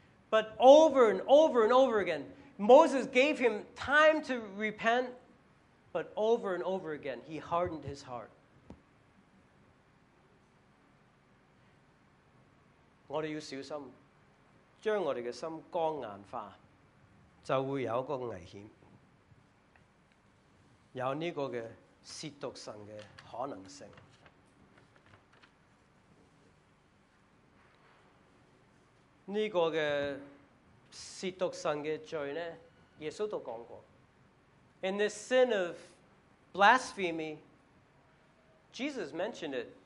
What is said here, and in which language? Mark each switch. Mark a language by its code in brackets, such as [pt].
[en] But over and over and over again, Moses gave him time to repent, but over and over again, he hardened his heart. [zh] 我们要小心，将我们的心光硬化，就会有一个危险，有这个亵渎神的可能性。这个亵渎神的罪呢，耶稣都讲过。 [en] In this sin of blasphemy, Jesus mentioned it.